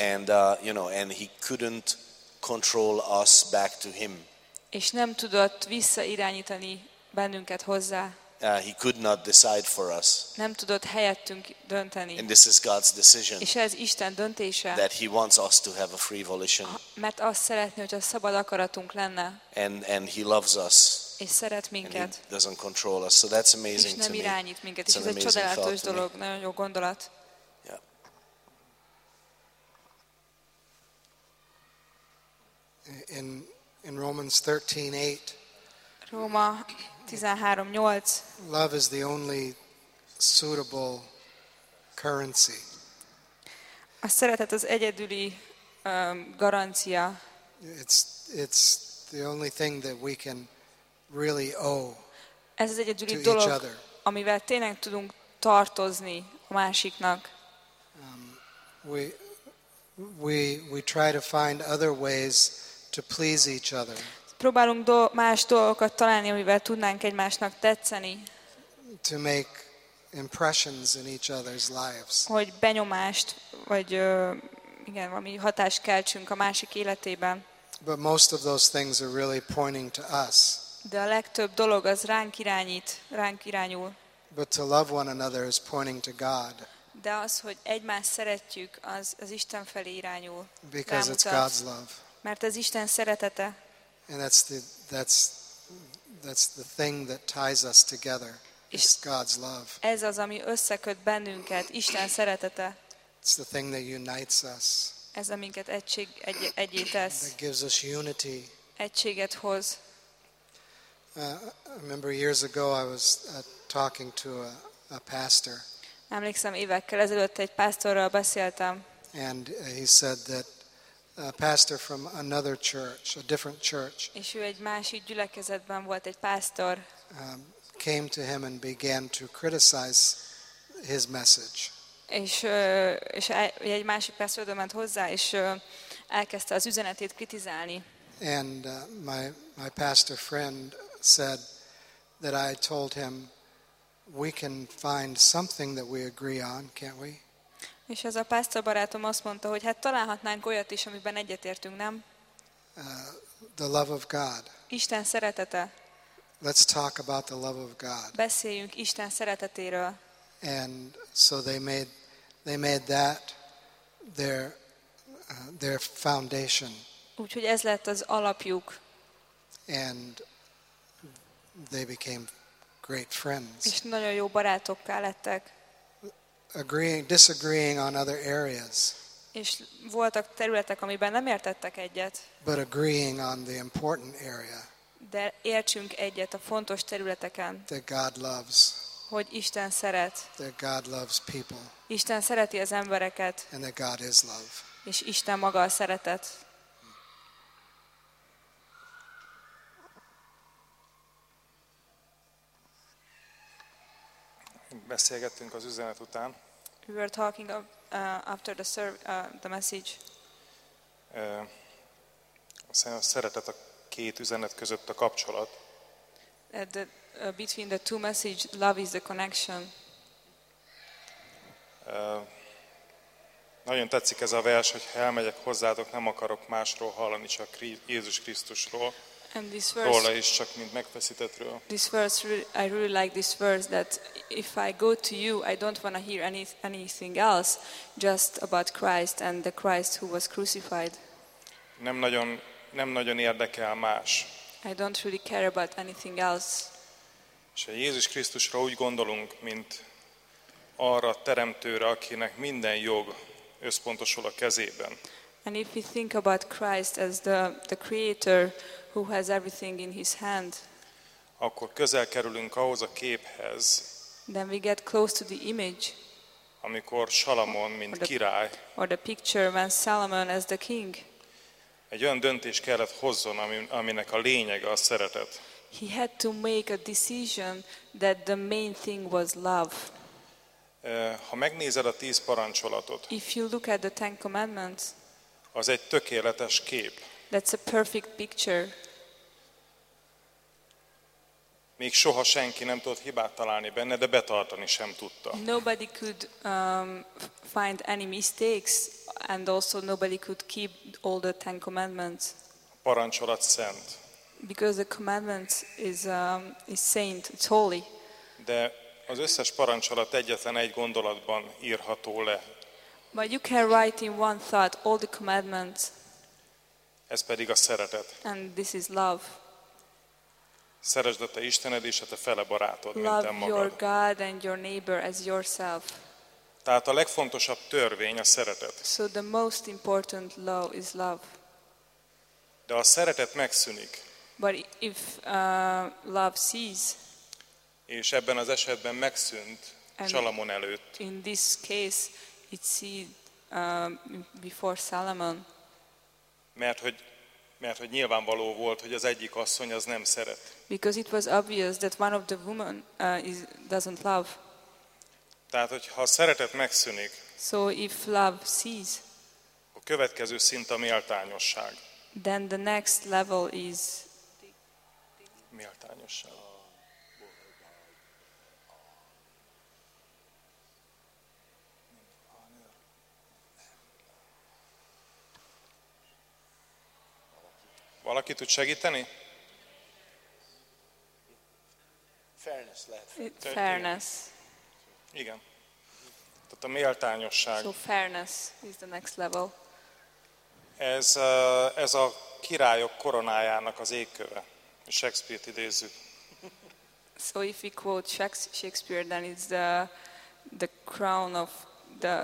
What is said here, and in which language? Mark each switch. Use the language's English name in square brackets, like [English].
[English] And you know, and he couldn't control us back to him. [Hungarian] És nem tudott visszairányítani bennünket hozzá. [English] He could not decide for us. [Hungarian] Nem tudott helyettünk dönteni. [English] And this is God's decision. [Hungarian] És ez Isten döntése. [English] That he wants us to have a free volition. [Hungarian] Mert azt szeretné, hogy a szabad akaratunk lenne. [English] And he loves us. [Hungarian] És szeret minket. [English] And he doesn't control us. So that's amazing to me. [Hungarian] És nem irányít minket. És ez egy csodálatos dolog, nagyon jó gondolat. [English] Yeah. In Romans 13:8. [Hungarian] Róma 13:8. [English] Love is the only suitable currency. [Hungarian] A szeretet az egyedüli garancia. [English] It's the only thing that we can really owe. [Hungarian] Ez az egyedüli dolog, amivel tényleg tudunk tartozni a másiknak. [English] We try to find other ways to please each other. [Hungarian] Próbálunk más dolgokat találni, amivel tudnánk egymásnak tetszeni. [English] To make impressions in each other's lives. [Hungarian] Hogy benyomást vagy igen, valami hatást keltsünk a másik életében. [English] But most of those things are really pointing to us. [Hungarian] De a legtöbb dolog az ránk irányít, ránk irányul. [English] But to love one another is pointing to God. [Hungarian] De az, hogy egymást szeretjük, az Isten felé irányul. [English] Because it's God's love. [Hungarian] Mert ez Isten szeretete. [English] And that's the thing that ties us together. It's God's love. [Hungarian] Ez az, ami összeköt bennünket, Isten szeretete. [English] It's the thing that unites us. [Hungarian] Ez a minket egyé tesz. [English] That gives us unity. [Hungarian] Egységet hoz. [English] I remember years ago I was talking to a pastor. [Hungarian] Emlékszem, évekkel ezelőtt egy pásztorral beszéltem. [English] And he said that a pastor from another church, a different church. [Hungarian] És ő egy másik gyülekezetben volt egy pásztor. [English] Came to him and began to criticize his message. [Hungarian] És egy másik pásztor odament hozzá, és elkezdte az üzenetét kritizálni. [English] And my pastor friend said that I told him we can find something that we agree on, can't we? [Hungarian] És ez a pásztor barátom azt mondta, hogy hát találhatnánk olyat is, amiben egyetértünk, nem? [English] The love of God. [Hungarian] Isten szeretete. [English] Let's talk about the love of God. [Hungarian] Beszéljünk Isten szeretetéről. [English] And so they made that their foundation. [Hungarian] Úgyhogy ez lett az alapjuk. [English] And they became great friends. [Hungarian] És nagyon jó barátokká lettek. [English] Agreeing, disagreeing on other areas. [Hungarian] És voltak területek, amiben nem értettek egyet. [English] But agreeing on the important area. [Hungarian] De értsünk egyet a fontos területeken. [English] That God loves. [Hungarian] Hogy Isten szeret. [English] That God loves people. [Hungarian] Isten szereti az embereket. [English] And that God is love. [Hungarian] És Isten maga a szeretet. Beszélgettünk az üzenet után. [English] We were talking of, after the the message. [Hungarian] A szeretet a két üzenet között a kapcsolat. [English] Between the two message, love is the connection. [Hungarian] Nagyon tetszik ez a vers, hogy ha elmegyek hozzátok, nem akarok másról hallani, csak Jézus Krisztusról. [English] And this verse, [Hungarian] is csak mint megfeszítetről. [English] This verse, I really like this verse that if I go to you, I don't want to hear anything else, just about Christ and the Christ who was crucified. [Hungarian] Nem nagyon érdekel más. [English] I don't really care about anything else. [Hungarian] És a Jézus Krisztusra úgy gondolunk, mint arra teremtőre, akinek minden jog összpontosul a kezében. [English] And if we think about Christ as the creator, who has everything in his hand. [Hungarian] Akkor közel kerülünk ahhoz a képhez. [English] Then we get close to the image. [Hungarian] Amikor Salamon mint király. [English] Or the picture when Solomon as the king. [Hungarian] Egy olyan döntés kellett hozzon, aminek a lényege a szeretet. [English] He had to make a decision that the main thing was love. [Hungarian] Ha megnézed a 10 parancsolatot. [English] If you look at the 10 commandments. [Hungarian] Az egy tökéletes kép. [English] That's a perfect picture. [Hungarian] Még soha senki nem tudott hibát találni benne, de betartani sem tudta. [English] Nobody could find any mistakes, and also nobody could keep all the 10 commandments. [Hungarian] A parancsolat szent. [English] Because the commandment is saint, it's holy. [Hungarian] De az összes parancsolat egyetlen egy gondolatban írható le. [English] But you can write in one thought all the commandments. [Hungarian] Ez pedig a szeretet. [English] And this is love. [Hungarian] Szeresd a te Istened és a te fele barátod, [English] love [Hungarian] mint te magad. [English] Your God and your neighbor as yourself. [Hungarian] Tehát a legfontosabb törvény a szeretet. [English] So the most important law is love. [Hungarian] De a szeretet megszűnik. [English] But if love ceases. [Hungarian] És ebben az esetben megszűnt Salamon előtt. [English] In this case it ceased before Solomon. [Hungarian] Mert hogy nyilvánvaló volt, hogy az egyik asszony az nem szeret. [English] Because it was obvious that one of the women doesn't love. [Hungarian] Tehát, hogy ha a szeretet megszűnik, [English] so if love ceases, [Hungarian] a következő szint a méltányosság. [English] Then the next level is [Hungarian] méltányosság. Valaki tud segíteni? Fairness lehet. [English] Fairness. [Hungarian] Igen. Tehát a méltányosság. [English] So fairness is the next level. [Hungarian] Ez a királyok koronájának az égköve. Shakespeare-t idézzük. [English] So if we quote Shakespeare, then it's the crown of the